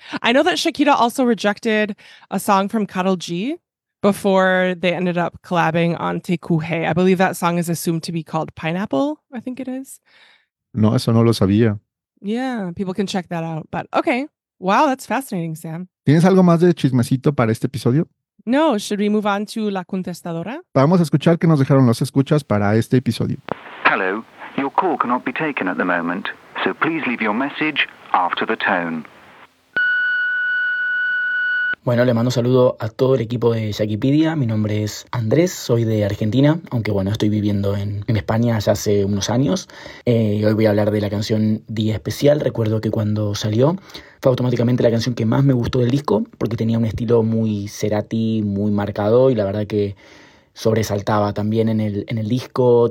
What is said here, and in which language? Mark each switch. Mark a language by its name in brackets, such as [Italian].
[English] I know that Shakira also rejected a song from Karol G before they ended up collabing on Te Cuje. I believe that song is assumed to be called Pineapple, I think it is. [Spanish] No, eso no lo sabía. [English] Yeah, people can check that out. But okay, wow, that's fascinating, Sam. [Spanish] ¿Tienes algo más de chismecito para este episodio? [English] No, should we move on to La Contestadora? [Spanish] Vamos a escuchar qué nos dejaron los escuchas para este episodio. [English] Hello, your call cannot be taken at the moment, so please leave your message after the tone. [Spanish] Bueno, le mando un saludo a todo el equipo de Shakipedia. Mi nombre es Andrés, soy de Argentina, aunque bueno, estoy viviendo en España ya hace unos años. Y hoy voy a hablar de la canción Día Especial. Recuerdo que cuando salió fue automáticamente la canción que más me gustó del disco porque tenía un estilo muy Cerati, muy marcado y la verdad que sobresaltaba también en el disco.